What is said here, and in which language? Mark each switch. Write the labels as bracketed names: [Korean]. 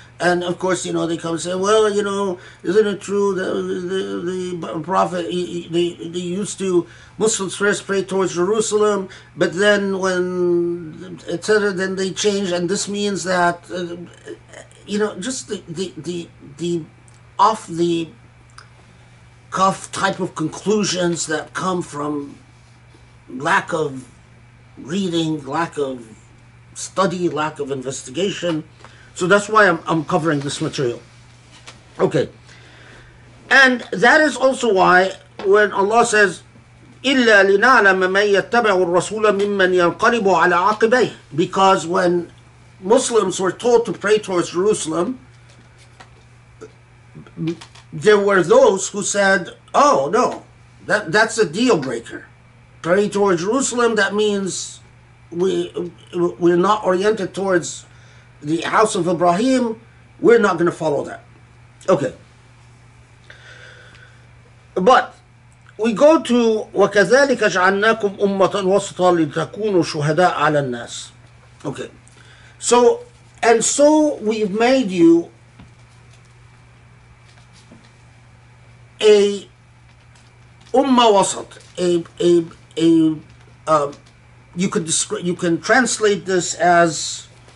[English] And of course, you know, they come and say, well, you know, isn't it true that the Prophet, they used to, Muslims first pray towards Jerusalem, but then when, et cetera, then they change, and this means that, you know, just the off the cuff type of conclusions that come from lack of reading, lack of study, lack of investigation. So that's why I'm covering this material. Okay. And that is also why when Allah says, [Arabic] إِلَّا لِنَعْلَمَ مَنْ يَتَّبَعُ الرَّسُولَ مِمَّنْ يَنْقَلِبُ عَلَىٰ عَقِبَيْهِ. [English] Because when Muslims were told to pray towards Jerusalem, there were those who said, oh no, that's a deal breaker. Praying towards Jerusalem, that means we're not oriented towards the house of Ibrahim, we're not going to follow that. Okay. But we go to [Arabic] وَكَذَلِكَ جَعَلْنَاكُمْ أُمَّةً وَسْطًا لِتَكُونُوا شُهَدَاءَ عَلَى النَّاسِ. [English] Okay. So, and so we've made you a أُمَّة وَسَط, you can translate this as